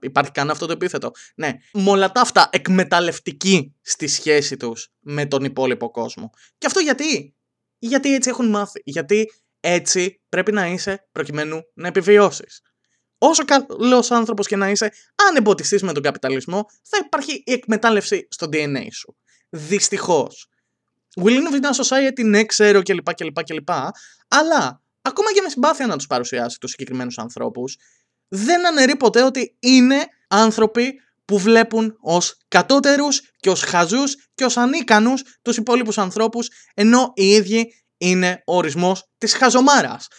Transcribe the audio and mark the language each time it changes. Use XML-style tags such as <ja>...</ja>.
<el>Υπάρχει καν αυτό το επίθετο? Ναι. Με όλα τα αυτά εκμεταλλευτικοί στη σχέση τους με τον υπόλοιπο κόσμο. Και αυτό γιατί? Γιατί έτσι έχουν μάθει. Γιατί έτσι πρέπει να είσαι προκειμένου να επιβιώσεις. Όσο καλός άνθρωπος και να είσαι, αν εμποτιστείς με τον καπιταλισμό, θα υπάρχει η εκμετάλλευση στο DNA σου. Δυστυχώς.</el> <en>We live in a society,</en> <el>ναι, ξέρω κλπ. Αλλά ακόμα και με συμπάθεια να τους παρουσιάσει τους συγκεκριμένους ανθρώπους, δεν αναιρεί ποτέ ότι είναι άνθρωποι που βλέπουν ως κατώτερους και ως χαζούς και ως ανίκανους τους υπόλοιπους ανθρώπους, ενώ οι ίδιοι είναι ο ορισμός της χαζομάρας.</el>